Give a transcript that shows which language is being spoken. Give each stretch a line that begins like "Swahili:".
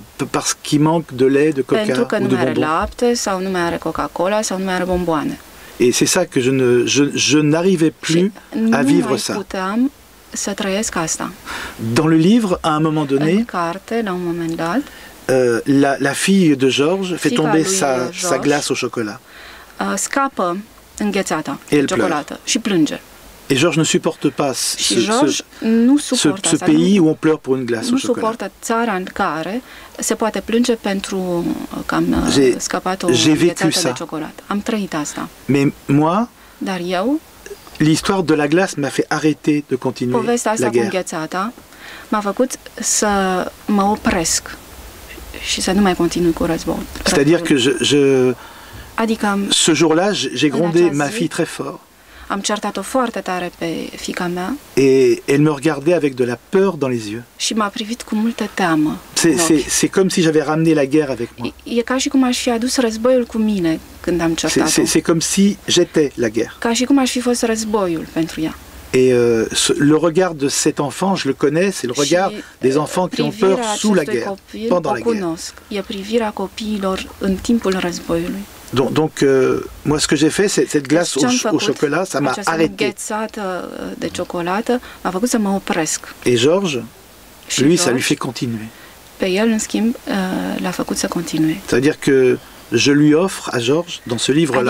French: parce qu'il manque de lait, de coca,
Romanian: pentru că
French: ou
Romanian: nu
French: de
Romanian: mai are lapte, sau nu mai are Coca-Cola, sau nu mai are bomboane.
French: Et c'est ça que je n'arrivais plus à vivre ça.
Romanian: Nu mai puteam să trăiesc asta.
French: Dans le livre, à un moment donné,
Romanian: în carte, la un moment dat,
French: La fille de Georges fait tomber sa glace au chocolat.
Romanian: Scapă înghețata de ciocolată și plânge.
French: Et Georges ne supporte pas ce pays où on pleure pour une glace au chocolat.
Romanian: Nu suportă țara în care se poate plânge pentru că am scăpat o înghețată de ciocolată. Am trăit asta.
French: Mais moi,
Romanian: dar eu,
French: l'histoire de la glace m'a fait arrêter de continuer la guerre.
Romanian: Povestea asta cu înghețata m-a făcut să mă opresc. Și să nu mai continui cu războiul.
French: C'est-à-dire que je
Romanian: adică
French: ce jour-là, j'ai grondé ma fille très fort.
Romanian: Am certat-o foarte tare pe fiica mea.
French: Et elle me regardait avec de la peur dans les yeux.
Romanian: Și m-a privit cu multă teamă.
French: C'est comme si j'avais ramené la guerre avec moi.
Romanian: E ca și cum aș fi adus războiul cu mine când am certat-o.
French: C'est comme si j'étais la guerre.
Romanian: Ca și cum aș fi fost războiul pentru ea.
French: Et le regard de cet enfant, je le connais, c'est le regard des enfants qui ont peur sous la guerre, pendant la guerre.
Romanian: E privirea copiilor în timpul războiului.
French: Donc, moi, ce que j'ai fait, c'est cette glace au chocolat, ça m'a arrêté. J'ai ghetsate de chocolat, m'a fait ça m'a presque. Et Georges, lui, ça lui fait continuer.
Romanian: Pe el, în schimb, l-a făcut să continue.
French: C'est-à-dire que je lui offre à Georges, dans ce livre-là,